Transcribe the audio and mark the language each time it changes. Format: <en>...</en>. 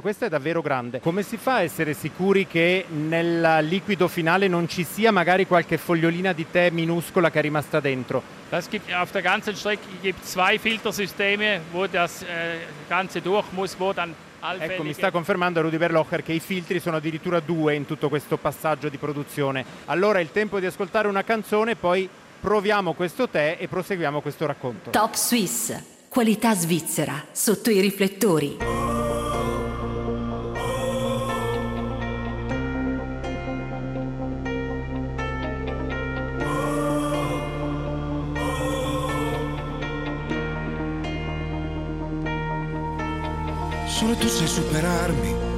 <it>Questa è davvero grande. Come si fa a essere sicuri che nel liquido finale non ci sia magari qualche fogliolina di tè minuscola che è rimasta dentro?</it> <de>Das gibt auf der ganzen Strecke gibt zwei Filtersysteme, wo das ganze durch muss, wo dann allfällige...</de> <it>Ecco, mi sta confermando Rudy Berlocher che i filtri sono addirittura due in tutto questo passaggio di produzione. Allora è il tempo di ascoltare una canzone, poi proviamo questo tè e proseguiamo questo racconto. Top Swiss. qualità svizzera sotto i riflettori. Solo tu sai superarmi.</it>